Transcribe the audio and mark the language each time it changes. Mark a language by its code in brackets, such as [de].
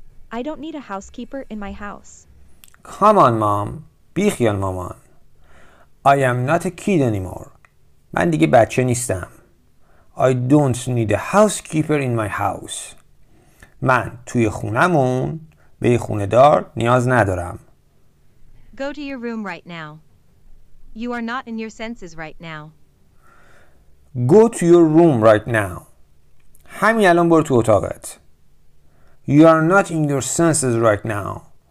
[en] I don't need a housekeeper in my house. Come on, mom. [fa] بیخیال مامان. [en] I am not a kid anymore. [fa] من دیگه بچه نیستم. [en] I don't need a housekeeper in my house. [fa] من توی خونمون به خونه دار نیاز ندارم. [en] Go to your room right now. You are not in your senses right now. Go to your room right now. [fa] همین الان برو تو اتاقت. [en] You are not in your senses right now.